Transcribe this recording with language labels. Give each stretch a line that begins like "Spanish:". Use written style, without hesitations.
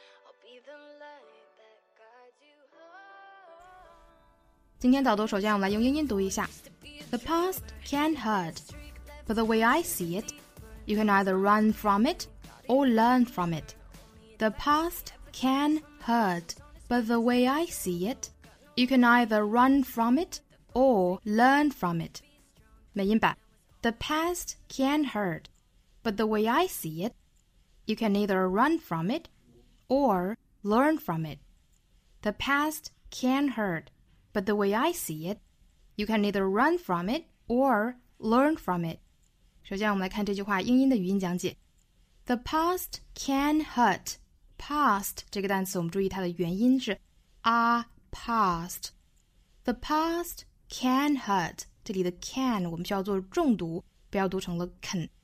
English: I'll be the light that guides you home.
Chinese: 今天早读首先我们来用英音读一下。
English: The past can hurt, but the way I see it, you can either run from it or learn from it. The past can hurt, but the way I see it, you can either run from it or learn from it.
Chinese: 美音版
English: The past can hurt, but the way I see it, you can either run from it or learn from it. The past can hurt, but the way I see it, you can either run from it or learn from it.
Chinese: 首先我们来看这句话英音的语音讲解。
English: The past can hurt.
Chinese: Past 这个单词我们注意它的元音是 past.
English: The past can hurt.
Chinese: 这里的 can 我们需要做重读，不要读成了 can.